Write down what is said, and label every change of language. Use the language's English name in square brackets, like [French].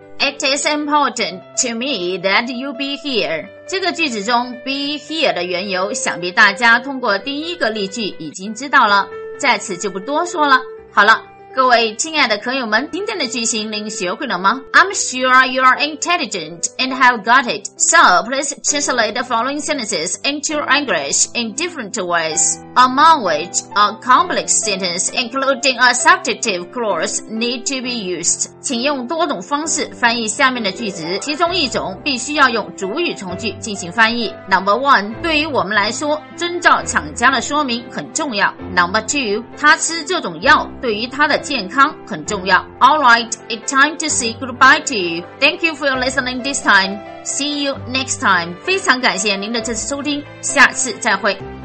[English] It is important to me that you be here. [Chinese] 这个句子中 be here 的缘由想必大家通过第一个例句已经知道了，在此就不多说了。好了，各位亲爱的朋友们，今天的句型您学会了吗？ [English] I'm sure you are intelligent and have got it. So please translate the following sentences into English in different ways, among which a complex sentence including a subjective clause need to be used. [Chinese] 请用多种方式翻译下面的句子，其中一种必须要用主语从句进行翻译。 [English] Number one, [Chinese] 对于我们来说，遵照厂家的说明很重要。 [English] Number two, [Chinese] 他吃这种药对于他的健康很重要。 [English] Alright, it's time to say goodbye to you. Thank you for your listening this time. See you next time. [Chinese] 非常感谢您的这次收听，下次再会。